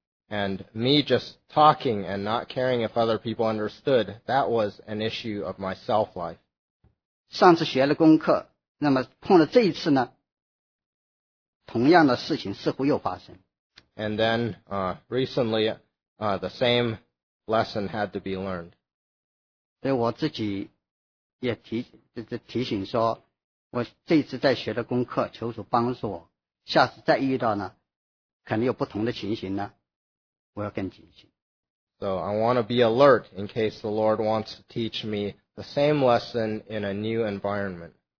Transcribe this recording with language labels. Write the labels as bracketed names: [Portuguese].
[English] And me just talking and not caring if other people understood, that was an issue of my self-life. [Chinese] 上次学了功课，那么碰了这一次呢，同样的事情似乎又发生。 [English] And then recently, the same lesson had to be learned. [Chinese] 对我自己也提醒说，我这一次在学的功课，求主帮助我，下次再遇到呢，可能有不同的情形呢。 [English] So I want to be alert in case the Lord wants to teach me the same lesson in a new environment.